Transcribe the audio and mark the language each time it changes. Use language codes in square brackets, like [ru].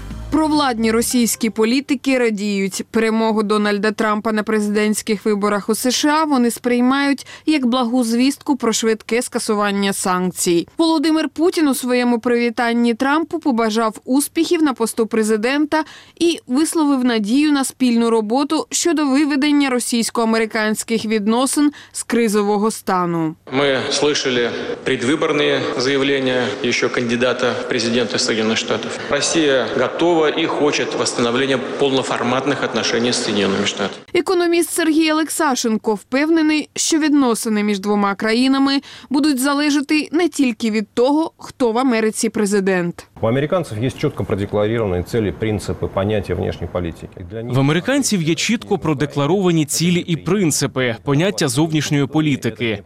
[uk] Провладні російські політики радіють. Перемогу Дональда Трампа на президентських виборах у США вони сприймають як благу звістку про швидке скасування санкцій. Володимир Путін у своєму привітанні Трампу побажав успіхів на посту президента і висловив надію на спільну роботу щодо виведення російсько-американських відносин з кризового стану. [ru] Ми слышали предвиборные заявления еще кандидата в президенты Соединенных Штатов. Россия готова и хочет восстановления полноформатных отношений с Соединенными Штатами. [uk] Економіст Сергій Олексашенко впевнений, що відносини між двома країнами будуть залежати не тільки від того, хто в Америці президент. У американців є чітко продекларовані цілі, принципи, поняття зовнішньої політики. В американців є чітко продекларовані цілі і принципи, поняття зовнішньої політики.